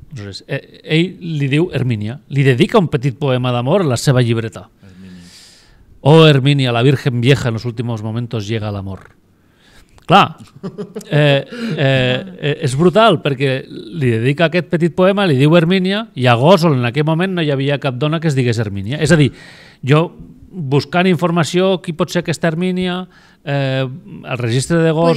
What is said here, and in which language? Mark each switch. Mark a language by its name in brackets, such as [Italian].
[Catalan] Aleshores, ell li diu Hermínia, li dedica un petit poema d'amor a la seva llibreta. Hermínia. [Spanish] Oh, Hermínia, la Virgen vieja en los últimos momentos llega al amor. [Catalan] Clar, és brutal, perquè li dedica aquest petit poema, li diu Hermínia, i a Gósol en aquell moment no hi havia cap dona que es digués Hermínia. És a dir, jo buscant informació, qui pot ser aquesta Hermínia... el registre de Gósol